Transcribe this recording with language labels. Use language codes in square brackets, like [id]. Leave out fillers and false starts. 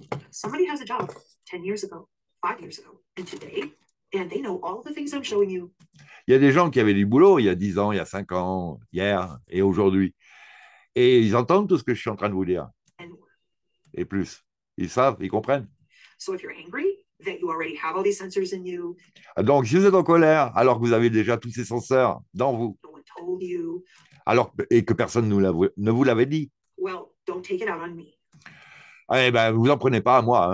[en] Somebody has a job 10 years ago, 5 years ago, and today, and they know all the things I'm showing you. [fr] Il y a des gens qui avaient du boulot il y a 10 ans, il y a 5 ans, hier et aujourd'hui. Et ils entendent tout ce que je suis en train de vous dire. Et plus. Ils savent, ils comprennent. [en] So if you're angry that you already have all these sensors in you. [fr] Donc si vous êtes en colère alors que vous avez déjà tous ces senseurs dans vous. [en] No one told you. [fr] Alors et que personne ne vous l'avait dit. [en] Well, don't take it out on me. [fr] Eh bien, vous n'en prenez pas à moi.